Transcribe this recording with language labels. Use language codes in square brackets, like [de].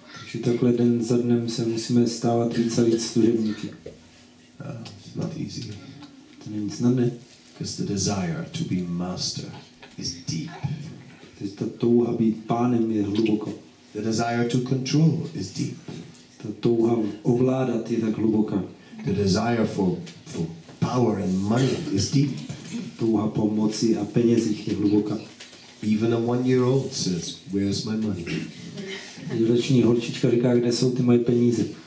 [cs] Že takhle den za dnem se musíme stávat víc a víc služebníky. [en] It's not easy. [cs] To není snadné. [en] Because the desire to be master is deep. [cs] Takže ta touha být pánem je hluboko. [en] The desire to control is deep. [cs] Ta touha ovládat je tak hluboká. [en] The desire for power and money is deep. [cs] Touha po moci a penězích je hluboká. [en] Even a one-year-old says, where's my money? [cs] Jedeční holčička říká, kde jsou ty moje peníze.